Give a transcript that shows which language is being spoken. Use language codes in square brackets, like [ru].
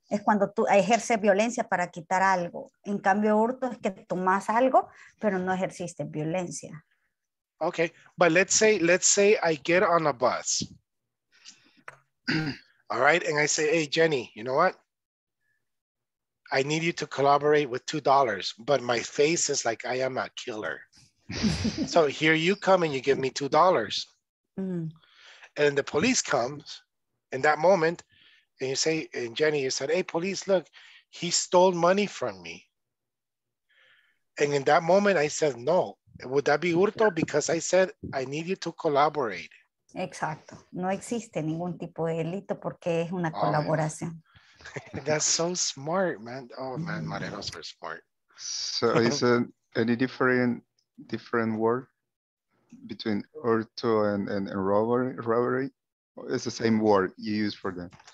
[es] Es cuando tú ejerces violencia para quitar algo. En cambio, hurto es que tomas algo, pero no ejerciste violencia. [en] Okay, but let's say I get on a bus. All right, and I say, hey, Jenny, you know what? I need you to collaborate with $2, but my face is like I am a killer. So here you come and you give me $2. Mm. And then the police comes in that moment and you say, and Jenny, you said, hey, police, look, he stole money from me. And in that moment, I said, no. Would that be hurto? Because I said, I need you to collaborate. [es] Exacto. No existe ningún tipo de delito porque es una colaboración. [en] That's so smart, man. Oh, man, mareros are smart. Yeah. So is it any different word between auto and robbery? It's the same word you use for them.